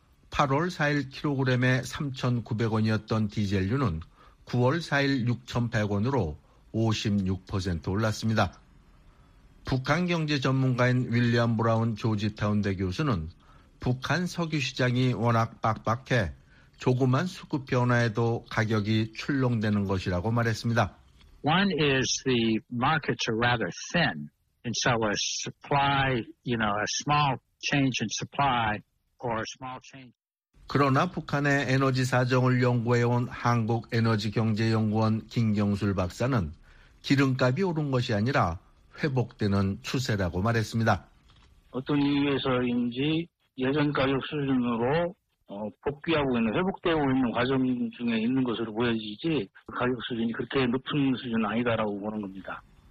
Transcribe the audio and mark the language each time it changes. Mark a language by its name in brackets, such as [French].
[Korean] 8월 4일 킬로그램에 3,900원이었던 디젤유는 9월 4일 6,100원으로 56% 올랐습니다. 북한 경제 전문가인 윌리엄 브라운 조지타운 대 교수는 북한 석유 시장이 워낙 빡빡해 조그만 수급 변화에도 가격이 출렁대는 것이라고 말했습니다. [English] One is the markets are rather thin, and so a supply, you know, a small change in supply or a small change. [Korean] 그러나 북한의 에너지 사정을 연구해온 한국에너지경제연구원 김경술 박사는 기름값이 오른 것이 아니라 회복되는 추세라고 말했습니다. 어떤 이유에서인지 예전 가격 수준으로 복귀하고 있는, 회복되고 있는 과정 중에 있는 것으로 보여지지 가격 수준이 그렇게 높은 수준은 아니다라고 보는 겁니다.